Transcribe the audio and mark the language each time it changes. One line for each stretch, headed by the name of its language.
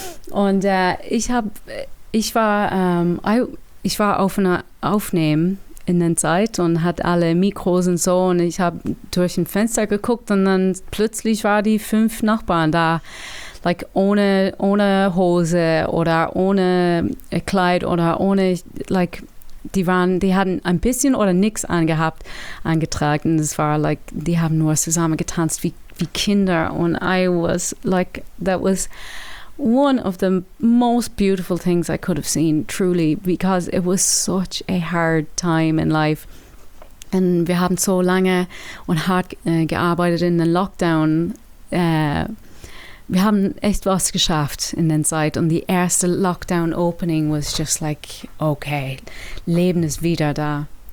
German: Und ich war auf einer Aufnahme in der Zeit und hatte alle Mikros und so und ich habe durch ein Fenster geguckt und dann plötzlich waren die fünf Nachbarn da. Like ohne Hose oder ohne Kleid oder ohne, like, die hatten ein bisschen oder nichts angetragen. Und es war like, die haben nur zusammen getanzt wie Kinder.
English: Und I was like, that was one of the most beautiful things I could have seen, truly, because it was such a hard time in life.
German: And wir haben so lange und hart gearbeitet in den Lockdown. Wir haben echt was geschafft in der Zeit und die erste Lockdown-Opening
English: was just like,
German: okay, Leben ist wieder da.